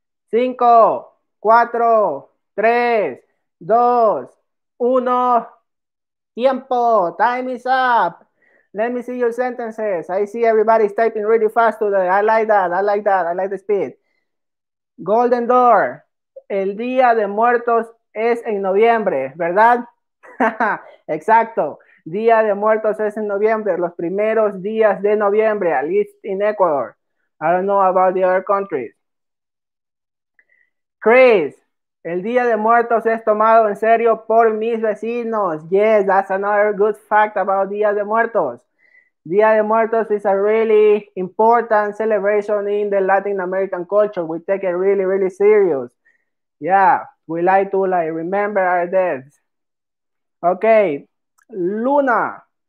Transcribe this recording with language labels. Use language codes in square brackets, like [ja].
[es] Cinco, cuatro, tres, dos, uno. [en] Tiempo, time is up. Let me see your sentences. I see everybody's typing really fast today. I like that, I like that, I like the speed. [es] Golden Door, el día de muertos es en noviembre, ¿verdad? Exacto, día de muertos es en noviembre, los primeros días de noviembre, [en] at least in Ecuador. I don't know about the other countries. Chris, [es] El Día de Muertos es tomado en serio por mis vecinos. [en] Yes, that's another good fact about Día de Muertos. Día de Muertos is a really important celebration in the Latin American culture. We take it really, really serious. Yeah, we like to like remember our dead. Okay, Luna.